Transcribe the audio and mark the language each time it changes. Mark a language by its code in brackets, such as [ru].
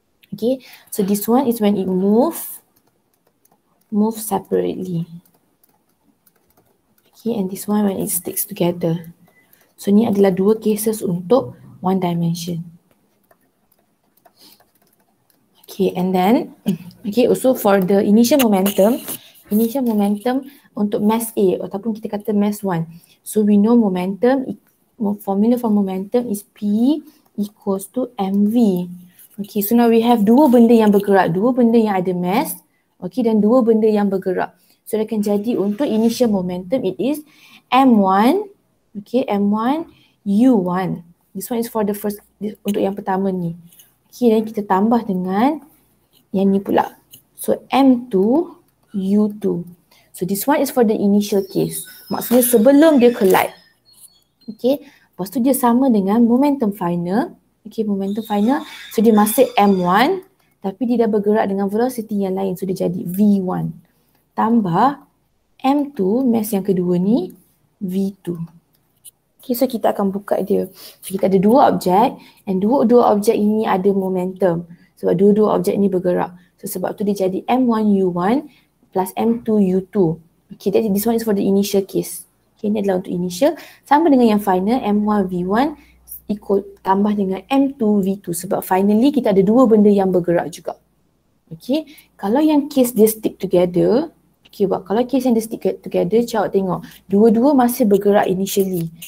[en] Okay, so this one is when it move separately. Okay, and this one when it sticks together. [ms] So ni adalah dua cases untuk one dimension. [en] Okay, and then, okay, also for the initial momentum [ms] untuk [en] mass A [ms] ataupun kita kata [en] mass 1. So we know momentum, formula for momentum is P equals to MV. [ms] Okay, [en] so now we have [ms] dua benda yang bergerak, dua benda yang ada mass, okay, dan dua benda yang bergerak. So dia akan jadi untuk initial momentum, [en] it is M1 U1. This one is for the first, [ms] untuk yang pertama ni. Okay, dan kita tambah dengan yang ni pula. [en] So M2 U2. So this one is for the initial case. [ms] Maksudnya sebelum dia collide. Okay, lepas tu dia sama dengan momentum final. Okay, momentum final. So dia masih M1 tapi dia dah bergerak dengan velocity yang lain. So dia jadi V1. Tambah M2, mass yang kedua ni, V2. Okay, so kita akan buka dia. So kita ada dua objek and dua-dua objek ini ada momentum. Sebab dua-dua objek ini bergerak. So sebab tu dia jadi M1 U1 plus M2 U2. [en] Okay, that, this one is for the initial case. [ms] Okay, ini adalah untuk initial. Sama dengan yang final, M1 V1 ikut tambah dengan M2 V2. Sebab finally kita ada dua benda yang bergerak juga. Okay, kalau yang case dia stick together, okay, buat kalau case yang dia stick together, cakap tengok, dua-dua masih bergerak initially.